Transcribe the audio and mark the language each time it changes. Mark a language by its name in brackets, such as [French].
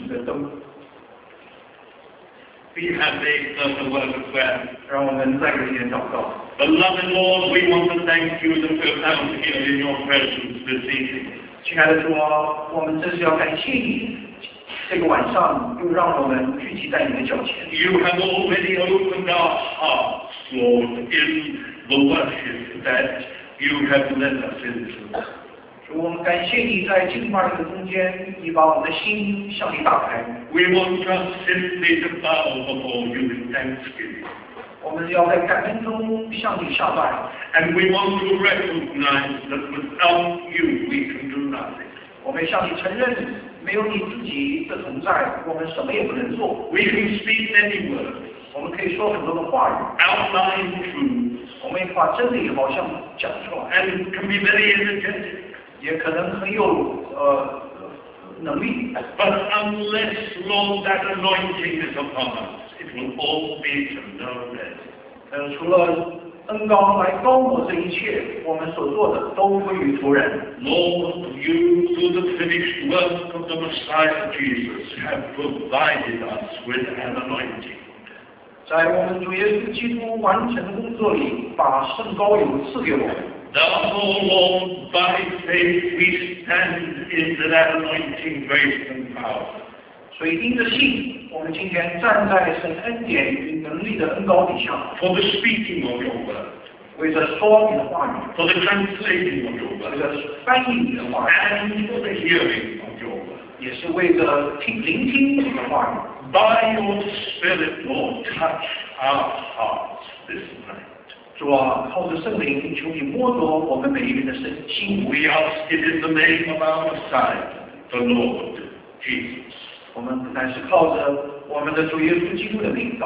[Chinese] 我未见城内有殿，因主神全能者和羔羊为城的殿。那城内又不用日月光照，因为有神的荣耀光照，又有羔羊为城的灯。We [English] have made the word of prayer. [Chinese] 让我们再一点祷告。 [English] Beloved Lord, we want to thank you that we have found here in your presence this evening. [Chinese] 亲爱的主啊，我们真是要感谢你，这个晚上又让我们聚集在你的脚前。 [English] You have already opened our hearts, Lord, in the worship that you have led us into. [Chinese] 主，我们感谢你在敬拜的中间，你把我们的心向你打开。 [English] We want to simply to bow before you in thanksgiving. [Chinese] 我们要在感恩中向你下拜。 [English] And we want to recognize that without you we can do nothing. [Chinese] 我们向你承认，没有你自己的存在，我们什么也不能做。 [English] We can speak many words. [Chinese] 我们可以说很多的话语。 [English] Outline truths. [Chinese] 我们也把真理好像讲出来。 [English] And can be very energetic. [Chinese] 也可能很有能力。 [English] But unless Lord that anointing is upon us. It will all be to no end. [Chinese] 除了恩膏来膏抹这一切，我们所做的都归于徒然。 [English] Lord, you through the finished work of the Messiah Jesus have provided us with an anointing. [Chinese] 在我们主耶稣基督完成的工作里，把圣膏油赐给我们。 [English] Therefore, Lord, by faith we stand in that anointing grace and power. [Chinese] 所以因着信，我们今天站在神恩典与能力的恩膏底下。 [English] For the speaking of your word， [Chinese] 为着说你的话语。 [English] For the translating of your word， [Chinese] 为着翻译你的话语。 [English] And for the hearing of your word， [Chinese] 也是为着听聆听你的话语。 [English] By your Spirit, Lord, touch our hearts this night。 [Chinese] 主啊，靠着圣灵，求你摸着我们每一个人的身心。 [English] We ask it in the name of our Messiah, the Lord Jesus. [Chinese] 我们乃是靠着我们的主耶稣基督的名祷